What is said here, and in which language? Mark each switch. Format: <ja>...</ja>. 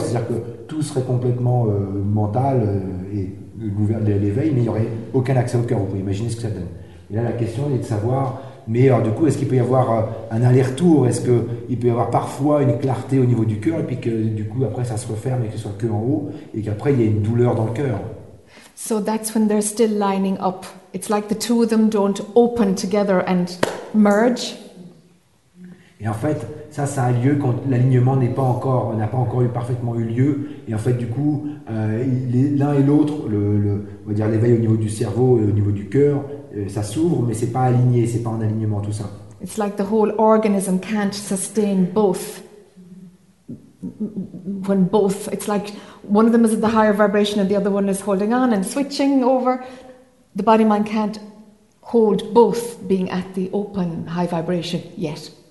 <fr>C'est-à-dire que tout serait complètement mental et l'éveil, mais il n'y aurait aucun accès au cœur. Vous pouvez imaginer ce que ça donne. Et là, la question est de savoir, mais alors, du coup, est-ce qu'il peut y avoir un aller-retour? Est-ce qu'il peut y avoir parfois une clarté au niveau du cœur et puis que du coup, après, ça se referme et que ce soit que en haut et qu'après, il y a une douleur dans le cœur?</fr> <en>So that's when they're still lining up. It's like the two of them don't open together and merge.</en> <fr>Et en fait, ça, ça a lieu quand l'alignement n'est pas encore, n'a pas encore eu, parfaitement eu lieu. Et en fait, du coup, l'un et l'autre, on va dire l'éveil au niveau du cerveau et au niveau du cœur, ça s'ouvre, mais c'est pas aligné, c'est pas en alignement tout ça.</fr> <en>It's like the whole organism can't sustain both. When both, it's like one of them is at the higher vibration and the other one is holding on and switching over. The body mind can't hold both being at the open high vibration yet.</en>